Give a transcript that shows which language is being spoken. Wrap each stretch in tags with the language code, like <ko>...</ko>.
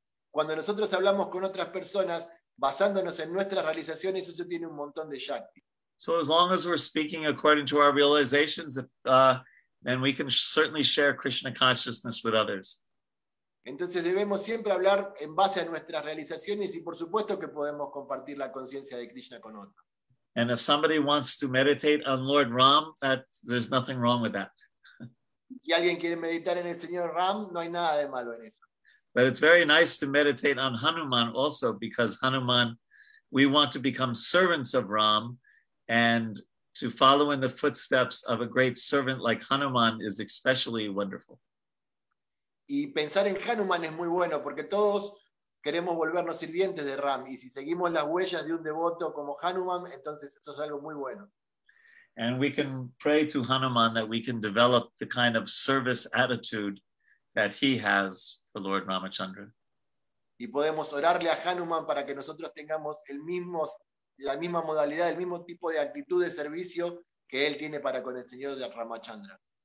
<es>Cuando nosotros hablamos con otras personas, basándonos en nuestras realizaciones, eso tiene un montón de shakti.</es> <en>So as long as we're speaking according to our realizations, then we can certainly share Krishna consciousness with others.</en> <es>Entonces debemos siempre hablar en base a nuestras realizaciones y por supuesto que podemos compartir la conciencia de Krishna con otros.</es> <en>And if somebody wants to meditate on Lord Ram, there's nothing wrong with that.</en> <es>Si alguien quiere meditar en el Señor Ram, no hay nada de malo en eso.</es> <en>But it's very nice to meditate on Hanuman also, because Hanuman, we want to become servants of Ram, and to follow in the footsteps of a great servant like Hanuman is especially wonderful.</en> <es>Y pensar en Hanuman es muy bueno, porque todos queremos volvernos sirvientes de Ram, y si seguimos las huellas de un devoto como Hanuman, entonces eso es algo muy bueno.</es> <en>And we can pray to Hanuman that we can develop the kind of service attitude that he has for Lord Ramachandra.</en> <es>Y podemos orarle a Hanuman para que nosotros tengamos la misma modalidad, el mismo tipo de actitud de servicio que él tiene para con el Señor de Ramachandra.</es>